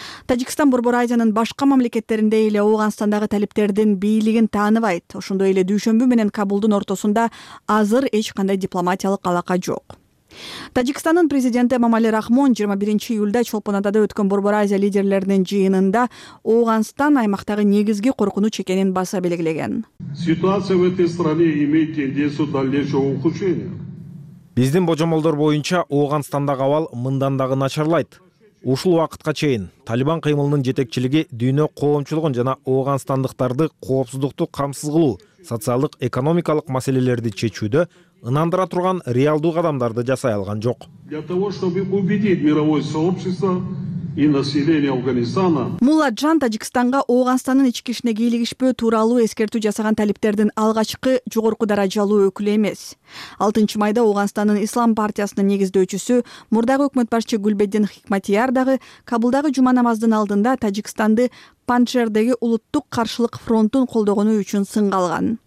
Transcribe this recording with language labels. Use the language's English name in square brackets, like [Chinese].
[Kyrgyz] Тажикстан Борбор Азиянын башка мамлекеттеринде эле Оогандардагы талиптердин бийлигин тааныбайт. Ошондой эле дүйшөмбү менен Кабулдун ортосунда азыр эч кандай дипломатиялык алака жок. Тажикстандын президенти Мамали Рахмон 21 июлда Чолпон Атада өткөн Борбор Азия лидерлеринин жыйынында Оогандардын аймактагы негизги коркунуч экенин баса белгилеген. [Russian] Ситуация в этой стране имеет тенденцию дальнейшего ухудшения. [Kyrgyz] Биздин божомолдор боюнча Оогандардагы абал мындан дагы начарлайт. Ушул убакытка чейин Талибан кыймылынын жетекчилиги дүйнө коомчулугун жана оогандардыктарды коопсуздукту камсыз кылуу, социалдык, экономикалык маселелерди чечүүдө ынандыра турган реалдуу кадамдарды жасай алган жок. [Russian] Для того, чтобы убедить мировое сообщество и население Афганистана. [Kyrgyz] Мулажан Тажикстанга Оогандардын ички ишине кийлигишпөө тууралуу эскертүү жасаган талиптердин алгачкы жогорку даражалуу өкүлү эмес. 6 майда Оогандардын Ислам партиясынын негиздөөчүсү, мурдагы өкмөт башчы Гүлбедин Хикматияр дагы Кабулдагы жума намаздын алдында Тажикстанды Панчердеги улуттук каршылык фронтун колдогону үчүн сынга алган.